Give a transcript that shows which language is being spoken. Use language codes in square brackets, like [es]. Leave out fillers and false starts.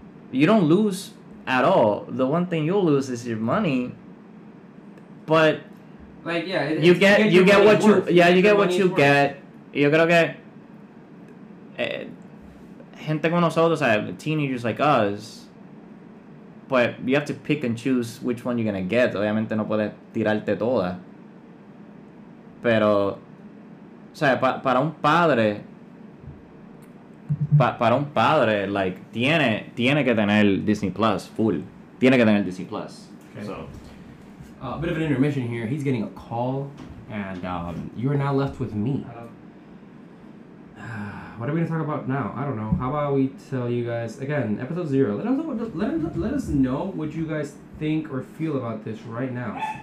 [en] You don't lose at all. The one thing you'll lose is your money, but like, yeah, you get what you get. You're gonna get [es] gente como nosotros, [en] teenagers like us, but you have to pick and choose which one you're gonna get. [es] Obviamente no puedes tirarte toda, pero o sea, para un padre like tiene que tener Disney Plus full. Tiene que tener Disney Plus. [en] Okay. So a bit of an intermission here. He's getting a call, and you are now left with me. What are we gonna talk about now? I don't know. How about we tell you guys again, episode zero. Let us know what you guys think or feel about this right now.